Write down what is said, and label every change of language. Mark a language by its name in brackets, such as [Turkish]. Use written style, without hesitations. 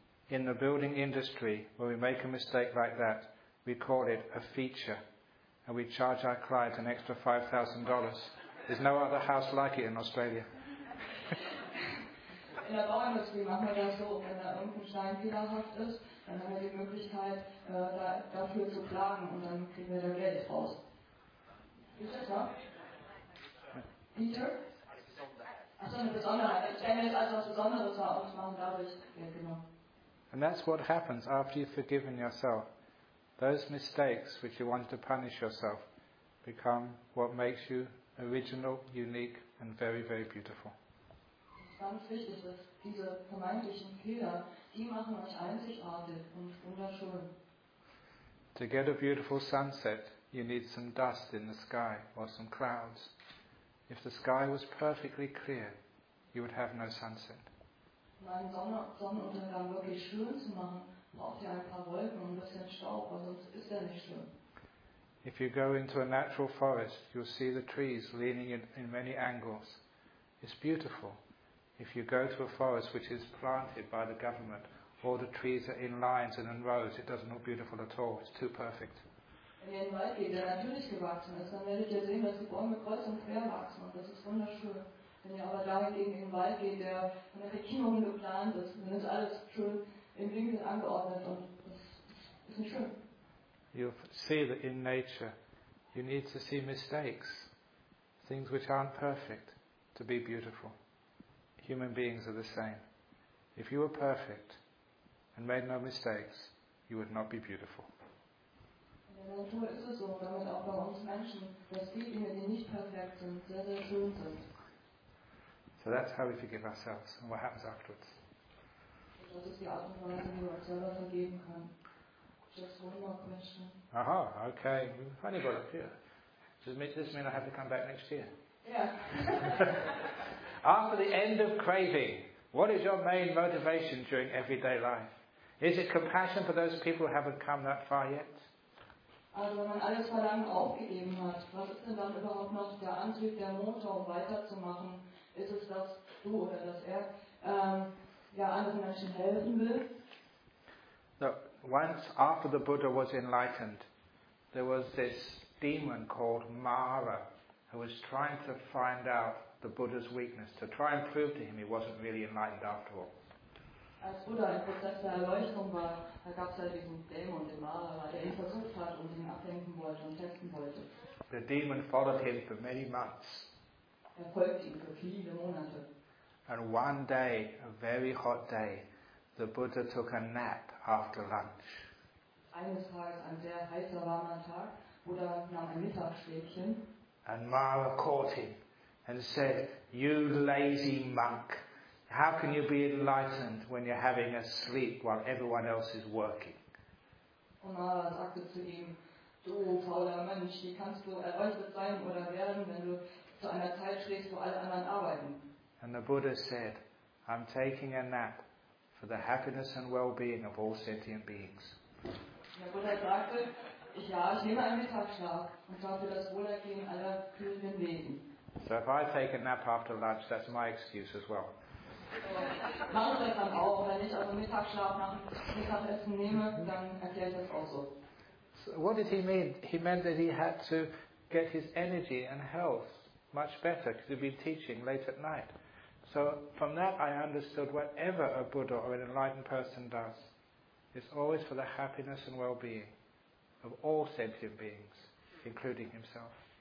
[English] In the building industry, when we make a mistake like that, we call it a feature, and we charge our client an extra $5,000. There's no other house like it in Australia. [German] In der Bauindustrie machen wir das so, wenn da irgendein Stein fehlerhaft ist, dann haben wir die Möglichkeit, dafür zu klagen, und dann kriegen wir da Geld raus. Peter? Achso, eine Besonderheit. Ich stelle mir jetzt als etwas Besonderes vor, und dadurch Geld genommen. [English] And that's what happens after you've forgiven yourself. Those mistakes which you want to punish yourself become what makes you original, unique, and very, very beautiful. It's very important that these [German] vermeintlichen Fehler, die machen euch einzigartig und wunderschön. [English] To get a beautiful sunset, you need some dust in the sky or some clouds. If the sky was perfectly clear, you would have no sunset. [German] Um einen Sonnenuntergang wirklich schön zu machen, braucht ihr ein paar Wolken und ein bisschen Staub, weil sonst ist er nicht schön. [English] If you go into a natural forest, you'll see the trees leaning in many angles. It's beautiful. If you go to a forest which is planted by the government, all the trees are in lines and in rows, it doesn't look beautiful at all. It's too perfect. [German] Wenn ihr in den Wald geht, der natürlich gewachsen ist, dann werdet ihr sehen, dass die Bäume kreuz und quer wachsen und das ist wunderschön. Wenn ihr aber dagegen in den Wald geht, der von der Regierung geplant ist, dann ist alles schön im Winkel angeordnet und das ist nicht schön. [English] You see that in nature, you need to see mistakes, things which aren't perfect, to be beautiful. Human beings are the same. If you were perfect and made no mistakes, you would not be beautiful. [German] In der Natur ist es so, und damit auch bei uns Menschen, dass die Dinge, die nicht perfekt sind, sehr, sehr schön sind. [English] So that's how we forgive ourselves and what happens afterwards. [German] Das ist die Art und Weise, wie wir uns selber vergeben können. [English] Just one more question. Aha, okay. Funny boy up here. Does this mean I have to come back next year? Yeah. After the end of craving, what is your main motivation during everyday life? Is it compassion for those people who haven't come that far yet? [German] Also wenn man alles Verlangen aufgegeben hat, was ist denn dann überhaupt noch der Antrieb, der Motor, um weiterzumachen? Ist es, dass du oder dass er anderen Menschen helfen will? [English] Look, once after the Buddha was enlightened, there was this demon called Mara who was trying to find out the Buddha's weakness, to try and prove to him he wasn't really enlightened after all. [German] Als Buddha im Prozess der Erleuchtung war, da gab es ja diesen Dämon, den Mara, der ihn versucht hat und ihn ablenken wollte und testen wollte. [English] The demon followed him for many months. [German] Er folgte ihm für viele Monate. [English] And one day, a very hot day, the Buddha took a nap after lunch. [German] Eines Tages, ein sehr heißer, warmer Tag, Buddha nahm ein Mittagsschläfchen. [English] And Mara caught him and said, you lazy monk, how can you be enlightened when you're having a sleep while everyone else is working? [German] Und Mara sagte zu ihm, du fauler Mensch, wie kannst du erleuchtet sein oder werden, wenn du zu einer Zeit schläfst, wo alle anderen arbeiten? [English] And the Buddha said, I'm taking a nap for the happiness and well-being of all sentient beings. [German] Der Buddha sagte, ich nehme einen Mittagsschlaf und zwar für das Wohlergehen aller fühlenden Wesen. [English] So if I take a nap after lunch, that's my excuse as well. [German] Mache das dann auch, wenn ich also Mittagsschlaf nach Mittagessen nehme, dann erkläre ich das auch so. [English] So what did he mean? He meant that he had to get his energy and health much better because he'd been teaching late at night. So from that I understood whatever a Buddha or an enlightened person does is always for the happiness and well-being of all sentient beings, including himself.